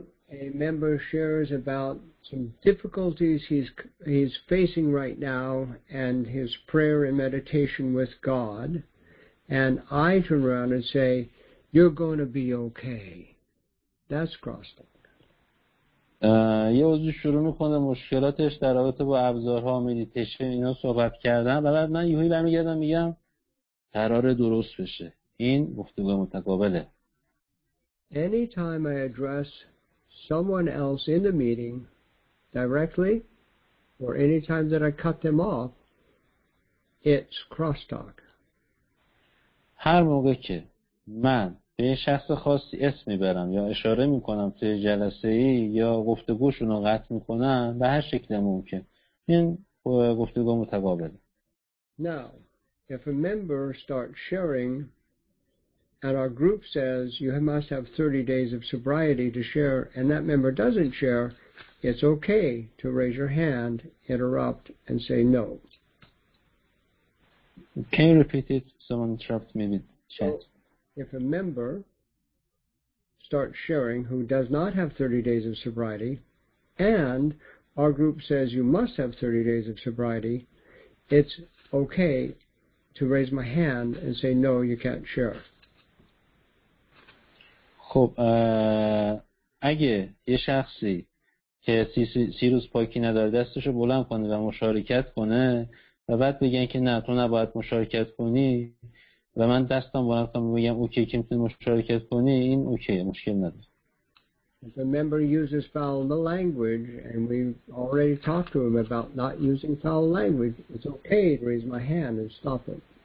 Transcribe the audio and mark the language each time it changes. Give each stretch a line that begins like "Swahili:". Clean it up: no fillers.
English: a member shares about some difficulties he's facing right now and his prayer and meditation with God, and I turn around and say, you're going to be okay. That's cross-talk.
Persian: یه عضو شروع میکنه مشکلاتش در رابطه با ابزارها مدیتیشن اینا صحبت کردن و بعد من یهویی برمیگردم میگم قرار درست بشه. این گفتگو متقابله.
English: Anytime I address someone else in the meeting directly or anytime that I cut them off, it's crosstalk.
Persian: هر موقع که من به یه شخص خاصی اسم میبرم یا اشاره میکنم توی جلسه ای یا گفتگوشون رو قطع میکنم به هر شکل ممکن، این گفتگو متقابله.
English: Now, if a member starts sharing and our group says you must have 30 days of sobriety to share and that member doesn't share, it's okay to raise your hand, interrupt and say no. Can you repeat it? Someone interrupted me with chat. So, if a member starts sharing who does not have 30 days of sobriety and our group says you must have 30 days of sobriety, it's okay to raise my hand and say no, you can't share.
Persian: خب اگه یه شخصی که 30 روز پاکی نداره دستشو بلند کنه و مشارکت کنه و بعد بگن که نه تو نباید مشارکت کنی و من دستم بلند کنم بگم اوکی که میتونی مشارکت کنی، این اوکیه، مشکل نداره.
English: If a member uses foul language and we've already talked to him about not using foul language, it's okay to raise my hand and stop it.